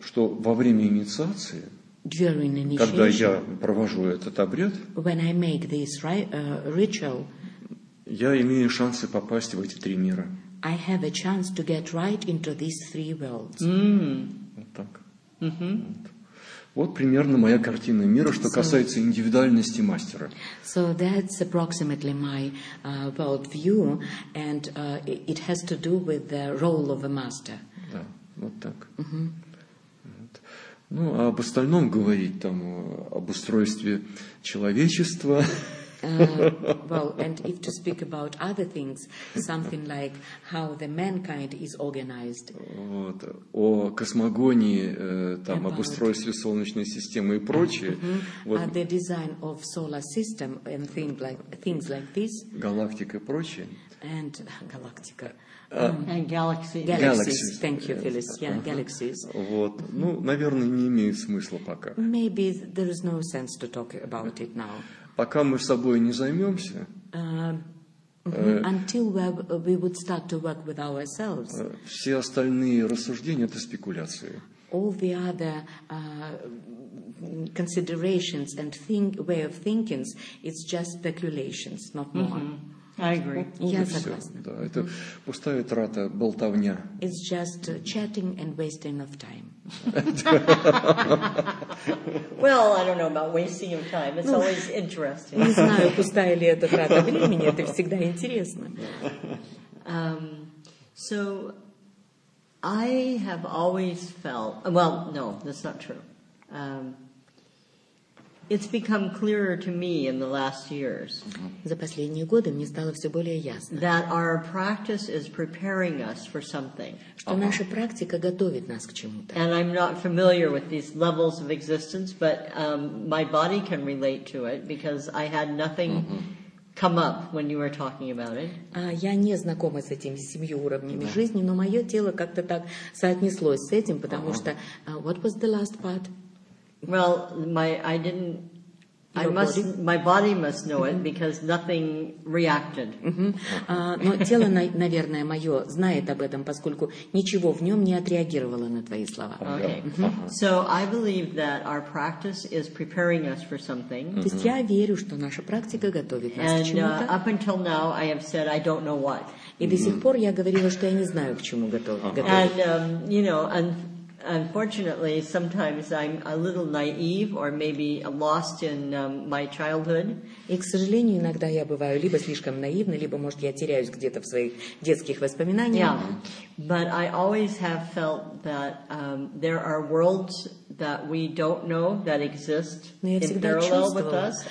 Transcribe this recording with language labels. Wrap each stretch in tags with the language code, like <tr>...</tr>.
<ru>Что во время инициации,</ru> <en>during initiation,</en> <ru>когда я провожу этот обряд,</ru> <en>when I make this ritual,</en> <ru>я имею шансы попасть в эти три мира.</ru> <en>I have a chance to get right into these three worlds.</en> <ru>Вот так. Вот примерно моя картина мира, что касается индивидуальности мастера.</ru> <en>So that's approximately my world view, and it has to do with the role of a master.</en> <ru>Да, вот так. Ну, а об остальном говорить там, об устройстве человечества...</ru> <en>Well, and if to speak about other things, something like how the mankind is organized.</en> <ru>Вот, о космогонии, там, об устройстве Солнечной системы и прочее. Вот.</ru> <en>The design of solar system and things like this.</en> <ru>Галактика и прочее.</ru> <en>And галактика. And galaxies. Galaxies. Thank you, Phyllis. Yeah, galaxies.</en> <ru>Вот. Ну, наверное, не имеет смысла пока.</ru> <en>Maybe there is no sense to talk about it now.</en> <ru>Пока мы собой не займемся,</ru> <en>until we would start to work with ourselves,</en> <ru>все остальные рассуждения — это спекуляции.</ru> <en>All the other considerations and way of thinking, it's just speculations, not more. I agree.</en> <ru>Я согласна. Да, это пустая трата, болтовня.</ru> <en>It's just chatting and wasting of time. Well, I don't know about wasting your time. It's always interesting.</en> <ru>Не знаю, пустая ли это трата времени. Это всегда интересно.</ru> <en>So, I have always felt... Well, no, that's not true. It's become clearer to me in the last years.</en> <ru>За последние годы мне стало все более ясно.</ru> <en>That our practice is preparing us for something.</en> <ru>Что наша практика готовит нас к чему-то.</ru> <en>And I'm not familiar with these levels of existence, but my body can relate to it because I had nothing come up when you were talking about it.</en> <ru>Я не знакома с этими семью уровнями жизни, но мое тело как-то так соотнеслось с этим, потому что</ru> <en>what was the last part? Well, my body must know it because nothing reacted.</en> <ru>Но тело, наверное, мое знает об этом, поскольку ничего в нем не отреагировало на твои слова.</ru> <en>So I believe that our practice is preparing us for something.</en> <ru>То есть я верю, что наша практика готовит нас к чему-то.</ru> <en>And up until now, I have said I don't know what.</en> <ru>И до сих пор я говорила, что я не знаю, к чему готовить.</ru> <en>And you know, and unfortunately, sometimes I'm a little naive or maybe lost in my childhood.</en> <ru>И, к сожалению, иногда я бываю либо слишком наивна, либо, может, я теряюсь где-то в своих детских воспоминаниях.</ru> <en>Yeah. But I always have felt that there are worlds that we don't know that exist in parallel with us.</en>